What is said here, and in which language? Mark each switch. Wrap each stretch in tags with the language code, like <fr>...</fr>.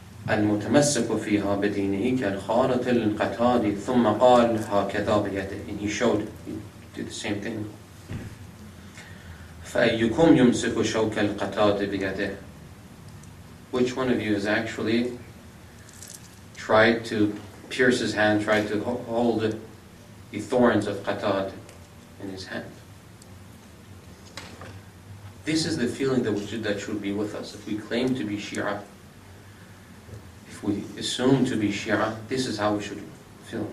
<ar>المتمسك فيها بدينه كالخارط للقتاد ثم قال هكذا بيده.</ar> <en>And he showed, he did the same thing.</en> <ar>فأيكم يمسك شوك القتاد بيده.</ar> <en>Which one of you has actually tried to pierce his hand, tried to hold the thorns of qatad in his hand? This is the feeling that should be with us. If we claim to be Shia, if we assume to be Shia, this is how we should feel.</en>